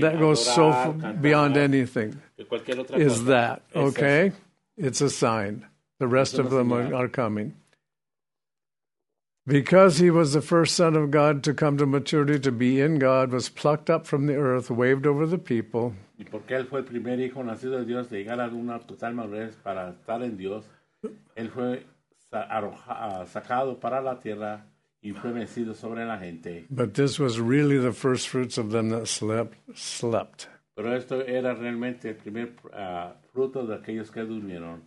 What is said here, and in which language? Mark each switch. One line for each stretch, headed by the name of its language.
English: That goes so far beyond anything. Is that, okay? It's a sign. The rest of them are coming. Because he was the first son of God to come to maturity, to be in God, was plucked up from the earth, waved over the people.
Spanish: Y porque él fue el primer hijo nacido de Dios de llegar a una total madurez para estar en Dios, él fue sacado para la tierra y fue mecido sobre la gente.
English: But this was really the first fruits of them that slept.
Spanish: Pero esto era realmente el primer fruto de aquellos que durmieron.